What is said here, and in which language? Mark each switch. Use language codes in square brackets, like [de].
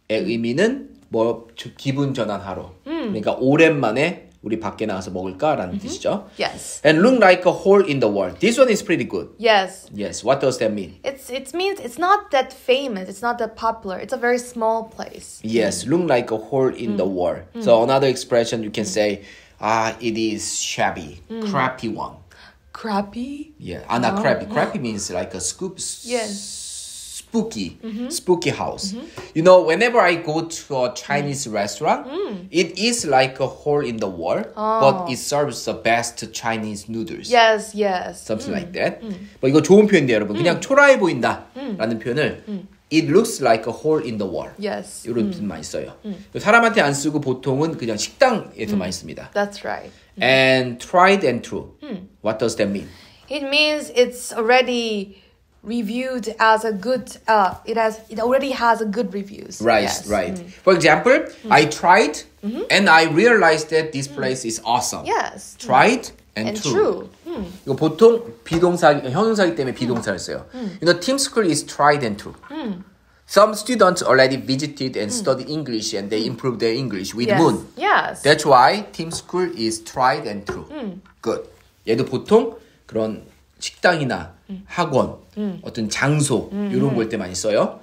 [ko] 의미는 뭐 기분 전환하러. 그러니까 오랜만에 우리 밖에 나가서 먹을까라는 mm-hmm. 뜻이죠. [en] Yes. And look like a hole in the wall. This one is pretty good. Yes. Yes. What does that mean? It means it's not that famous. It's not that popular. It's a very small place. Yes. Look like a hole in the wall. Mm. So another expression you can say, it is shabby. Mm. Crappy one. Crappy? Yeah. Not crappy. Crappy means like a scoop. Yes. Spooky, mm-hmm. spooky house. Mm-hmm. You know, whenever I go to a Chinese restaurant, it is like a hole in the wall, but it serves the best Chinese noodles. Yes, yes. Something like that. But [ko] 이거 좋은 표현이에요, 여러분. 그냥 초라해 보인다 라는 표현을 [en] it looks like a hole in the wall. Yes. [ko] 이런 표현 많이 써요. 사람한테 안 쓰고 보통은 그냥 식당에서 많이 씁니다. [en] That's right. And tried and true. What does that mean? It means it's already reviewed as a good it already has a good reviews, right? Yes. Right. For example, I tried and I realized that this place is awesome. Yes. Tried and true. [ko] 이거 보통 비동사 형용사이기 때문에 비동사를 써요. [en] You know, team school is tried and true. Some students already visited and studied English and they improved their English with Moon. Yes. That's why team school is tried and true. Good. [ko] 얘도 보통 그런 식당이나 학원, 어떤 장소, 이런 걸 때 많이 써요.